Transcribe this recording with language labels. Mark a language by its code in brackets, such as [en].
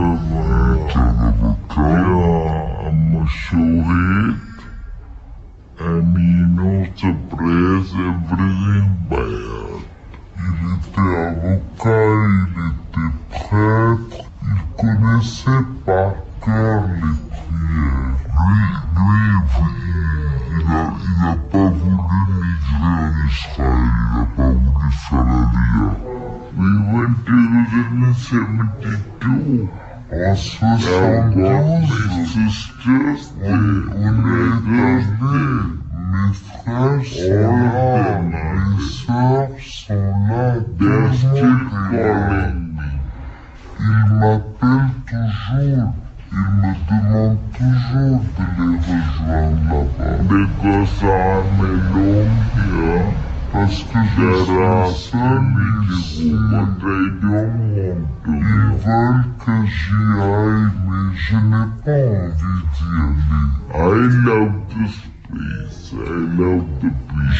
[en] I'm a Shohit, and he knows the prayers everything by heart. [fr] Il était avocat, il était prêtre, il connaissait par cœur les prières. Lui, il n'a pas voulu migrer en Israël, il n'a pas voulu faire la vie. [en] We went to Israel in 72. [fr] En 72, on est venus, mes frères sont là, mes sœurs sont là, ils m'appellent toujours, ils me demandent toujours de les rejoindre là-bas. [en] Because I'm alone here. [fr] Parce que je suis seul ici, ils veulent que j'y aille, mais je n'ai pas envie d'y aller. [en] I love this place, I love the place.